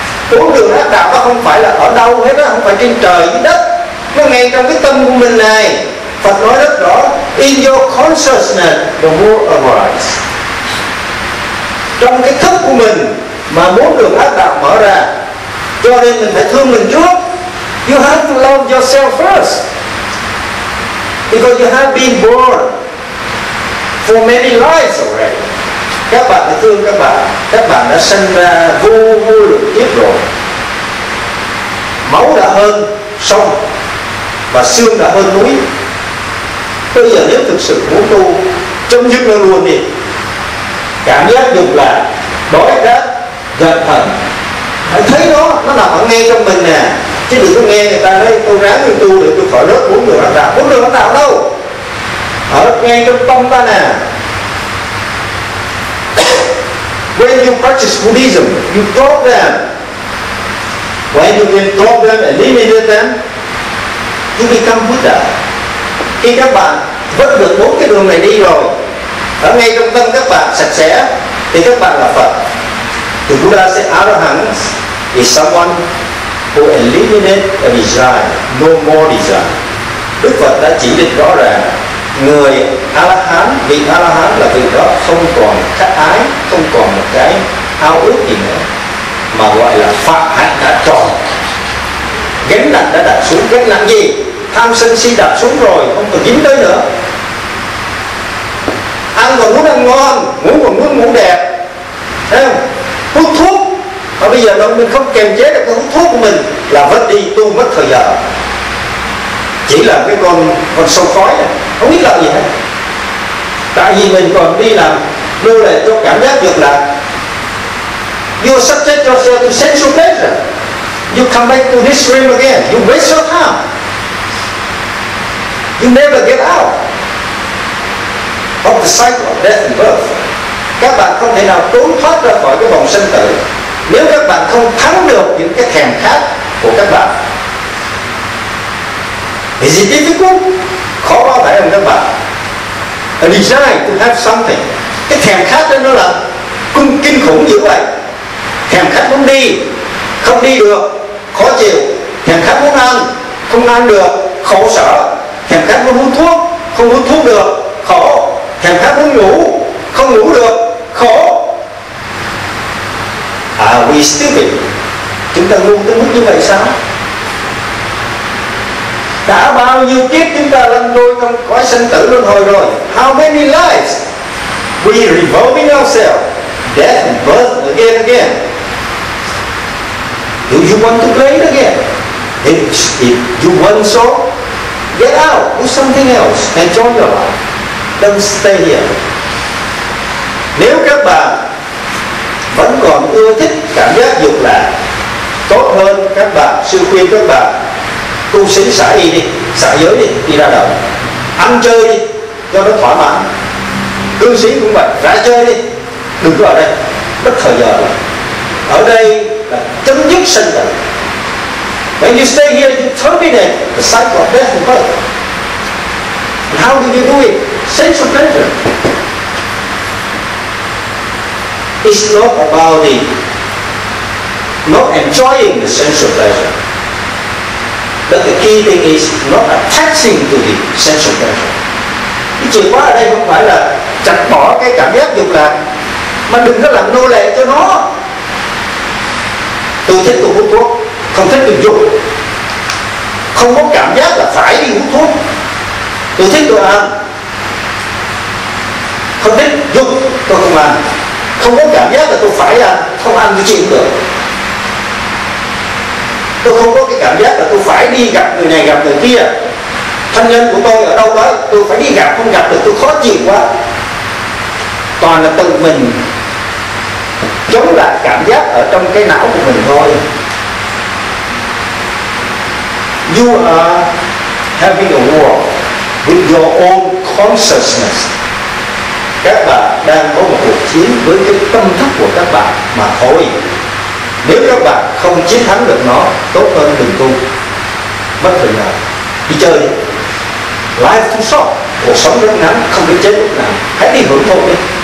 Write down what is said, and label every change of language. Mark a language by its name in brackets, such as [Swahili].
[Vietnamese] Bốn đường ác đạo nó không phải là ở đâu hết á, không phải trên trời dưới đất, nó ngay trong cái tâm của mình này. Phật nói rất rõ, [English] in your consciousness the world arises. [Vietnamese] Trong cái thức của mình mà bốn đường ác đạo mở ra. Cho nên mình phải thương mình trước. [English] You have to love yourself first, because you have been born for many lives already. [Vietnamese] Các bạn phải thương các bạn đã sinh ra vô vô lượng kiếp rồi. Máu đã hơn sông và xương đã hơn núi. Bây giờ nếu thực sự muốn tu, chấm dứt nó luôn đi. Cảm giác được là đói rát, giận hờn, hãy thấy nó nằm ở ngay trong mình nè. Chứ đừng có nghe người ta nói tôi ráng đi tu để tôi khỏi rớt bốn đường ác đạo. Bốn đường ác đạo đâu? Ở ngay trong tâm ta nè. [English] When you practice Buddhism, you drop them. When you can drop them, eliminate them, you become Buddha. [Vietnamese] Khi các bạn vứt được bốn cái đường này đi rồi, ở ngay trong tâm các bạn sạch sẽ, thì các bạn là Phật. [English] The Buddha said, Arahant is someone who eliminates a desire, no more desire. [Vietnamese] Đức Phật đã chỉ định rõ ràng, người A-la-hán, vị A-la-hán là vị đó không còn khát ái, không còn một cái ao ước gì nữa, mà gọi là phạm hạnh đã tròn. Gánh nặng đã đặt xuống, gánh nặng gì? Tham sân si đặt xuống rồi, không còn dính tới nữa. Ăn còn muốn ăn ngon, ngủ còn muốn ngủ đẹp, thấy không? Hút thuốc, và bây giờ đó mình không kiềm chế được cái hút thuốc của mình, là vất đi, tu mất thời giờ. Chỉ là cái con sâu khói này, không biết lợi gì hết. Tại vì mình còn đi làm nô lệ cho cảm giác dược lạc. [English] You subject yourself to sensual pleasure. You come back to this dream again. You waste your time. You never get out of the cycle of death and birth. [Vietnamese] Các bạn không thể nào trốn thoát ra khỏi cái vòng sinh tử nếu các bạn không thắng được những cái thèm khát của các bạn. [English] Is it difficult? [Vietnamese] Khó bao phải không các bạn? [English] A desire to have something. [Vietnamese] Cái thèm khát đó nó là cung kinh khủng dữ vậy. Thèm khát muốn đi, không đi được, khó chịu. Thèm khát muốn ăn, không ăn được, khổ sở. Thèm khát muốn hút thuốc, không hút thuốc được, khổ. Thèm khát muốn ngủ, không ngủ được, khổ. [English] Are we stupid? [Vietnamese] Chúng ta ngu tới mức như vậy sao? Đã bao nhiêu kiếp chúng ta lăn lộn trong cõi sinh tử luân hồi rồi. [English] How many lives we revolving ourselves, death and birth again and again? Do you want to play it again? If you want so, get out, do something else, enjoy your life. Don't stay here. [Vietnamese] Nếu các bạn vẫn còn ưa thích cảm giác dục lạc, tốt hơn các bạn, sư khuyên các bạn tu sĩ xả y đi, xả giới đi, đi ra đời, ăn chơi đi, cho nó thỏa mãn. Cư sĩ cũng vậy, ra chơi đi, đừng có ở đây, mất thời giờ. Ở đây là chấm dứt sinh tử. [English] When you stay here, you terminate the cycle of death and birth. And how do you do it? Sense of pleasure. It's not about the not enjoying the sense of pleasure. But the key thing is not attaching to the sense of pleasure. [Vietnamese] Chìa khóa ở đây không phải là chặt bỏ cái cảm giác dục lạc, mà đừng có làm nô lệ cho nó. Tôi thích tôi hút thuốc, không thích tôi dùng, không có cảm giác là phải đi hút thuốc. Tôi thích tôi ăn, không thích dùng, tôi không ăn. Không có cảm giác là tôi phải ăn, không ăn tôi chịu được. Tôi không có cái cảm giác là tôi phải đi gặp người này gặp người kia. Thân nhân của tôi ở đâu đó, tôi phải đi gặp, không gặp được tôi khó chịu quá. Toàn là tự mình chống lại cảm giác ở trong cái não của mình thôi. [English] You are having a war with your own consciousness. [Vietnamese] Các bạn đang có một cuộc chiến với cái tâm thức của các bạn mà thôi. Nếu các bạn không chiến thắng được nó, tốt hơn đừng tu. Bất thời nào đi chơi. [English] Life too short, [Vietnamese] cuộc sống rất ngắn, không biết chết lúc nào. Hãy đi hưởng thụ đi.